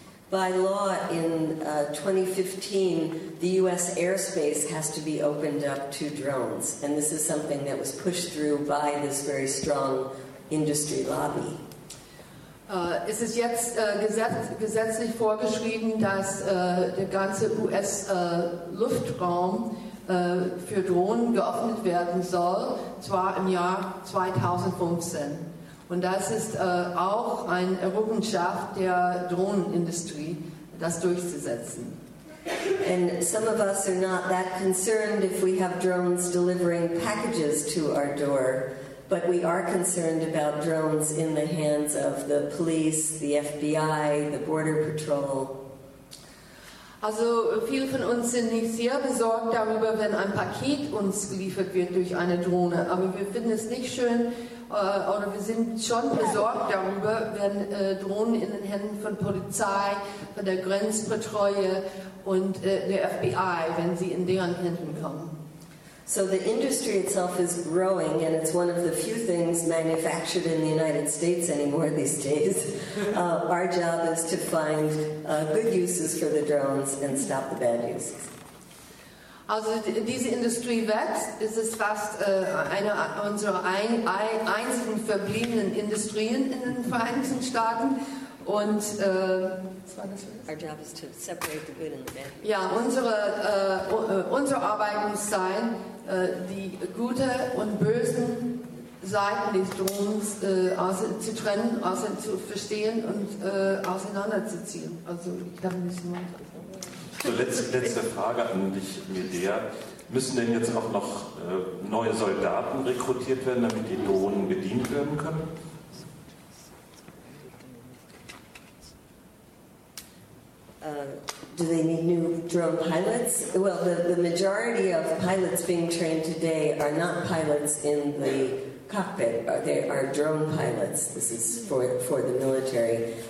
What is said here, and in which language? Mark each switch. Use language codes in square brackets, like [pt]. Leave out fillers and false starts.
[en] By law in 2015, the US airspace has to be opened up to drones. And this is something that was pushed through by this very strong industry lobby. [de] Es ist jetzt gesetzlich vorgeschrieben, dass der ganze US-Luftraum für Drohnen geöffnet werden soll, zwar im Jahr 2015. Und das ist auch eine Errungenschaft der Drohnenindustrie, das durchzusetzen. [en] And some of us are not that concerned if we have drones delivering packages to our door. But we are concerned about drones in the hands of the police, the FBI, the Border Patrol. [de] Also viele von uns sind nicht sehr besorgt darüber, wenn ein Paket uns geliefert wird durch eine Drohne. Aber wir finden es nicht schön, oder wir sind schon besorgt darüber, wenn Drohnen in den Händen von Polizei, von der Grenzpatrouille und der FBI, wenn sie in deren Händen kommen. [en] So the industry itself is growing, and it's one of the few things manufactured in the United States anymore these days. Our job is to find good uses for the drones and stop the bad uses. [de] Also diese Industrie wächst. Es ist fast eine unserer einzigen verbliebenen Industrien in den Vereinigten Staaten. Und [en] our job is to separate the good and the bad. [de] Ja, unsere Arbeit muss sein, die gute und bösen Seiten des Drohens zu trennen, zu verstehen und auseinanderzuziehen. Also da müssen wir. So, letzte Frage an dich, Medea. Müssen denn jetzt auch noch neue Soldaten rekrutiert werden, damit die Drohnen bedient werden können? [en] Do they need new drone pilots? Well, the majority of pilots being trained today are not pilots in the cockpit. They are drone pilots. This is for the military.